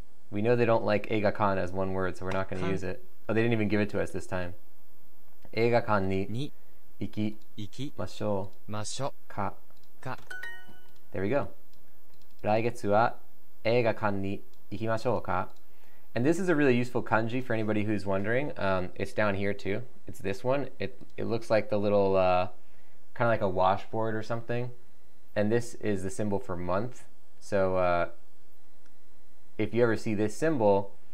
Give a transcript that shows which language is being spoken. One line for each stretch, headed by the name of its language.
English: We know they don't like 映画館 as one word, so we're not going to use it. Oh, they didn't even give it to us this time.
Japanese: 映画館に行きましょうか。
English: There we go.
Japanese: 来月は映画館に行きましょうか。
English: And this is a really useful kanji for anybody who's wondering. It's down here too. It's this one. It looks like the little, kind of like a washboard or something. And this is the symbol for month. So, if you ever see this symbol...